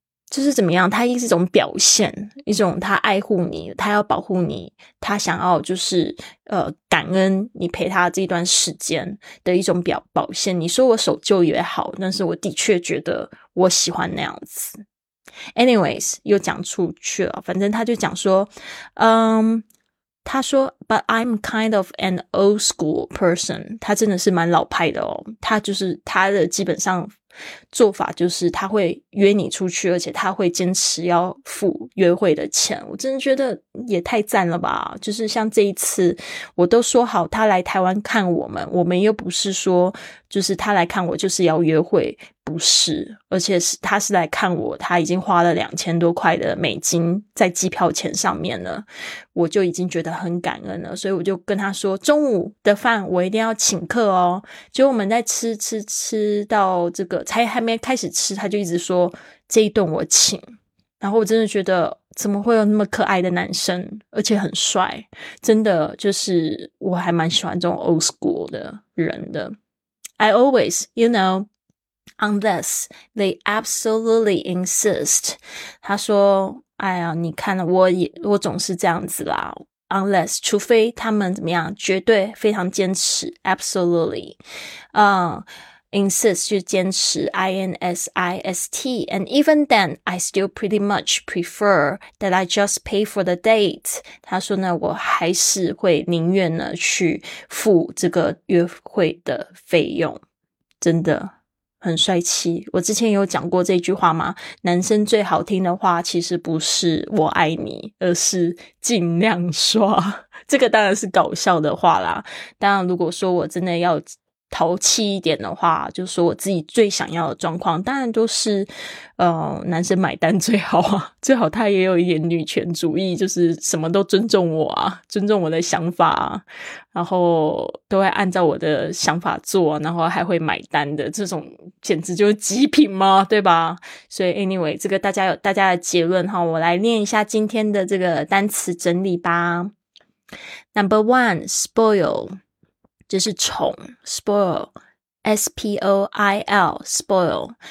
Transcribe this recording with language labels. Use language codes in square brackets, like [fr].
[zh] 就是怎么样，他一种表现，一种他爱护你，他要保护你，他想要就是感恩你陪他这段时间的一种表现。你说我守旧也好，但是我的确觉得我喜欢那样子。 [en] Anyways, [zh] 又讲出去了，反正他就讲说他说 [en] But I'm kind of an old school person. [zh] 他真的是蛮老派的哦，他就是他的基本上做法就是他会约你出去，而且他会坚持要付约会的钱。我真的觉得也太赞了吧，就是像这一次我都说好他来台湾看我们，我们又不是说就是他来看我就是要约会，不是，而且是他是来看我，他已经花了2000多块的美金在机票钱上面了，我就已经觉得很感恩了。所以我就跟他说中午的饭我一定要请客哦，结果我们在吃到这个才还没开始吃，他就一直说这一顿我请。然后我真的觉得怎么会有那么可爱的男生，而且很帅，真的就是我还蛮喜欢这种 old school 的人的。 [en] I always, you knowUn this, they absolutely insist. [zh] 他说，哎呀，你看了我总是这样子啦。 Unless, 除非他们怎么样，绝对非常坚持 ,absolutely. [en] Insist, [zh] 就坚持 [en] ,insist. And even then, I still pretty much prefer that I just pay for the date. [zh] 他说呢，我还是会宁愿呢去付这个约会的费用。真的。很帅气，我之前有讲过这句话吗？男生最好听的话其实不是我爱你，而是尽量刷。这个当然是搞笑的话啦，当然如果说我真的要淘气一点的话，就是说我自己最想要的状况，当然就是男生买单最好啊，最好他也有一点女权主义，就是什么都尊重我啊，尊重我的想法啊，然后都会按照我的想法做，然后还会买单的，这种简直就是极品嘛，对吧？所以 anyway， 这个大家有大家的结论哈，我来念一下今天的这个单词整理吧。 [en] Number one, spoil. [zh] 就是宠 spoil, S-P-O-I-L, spoil.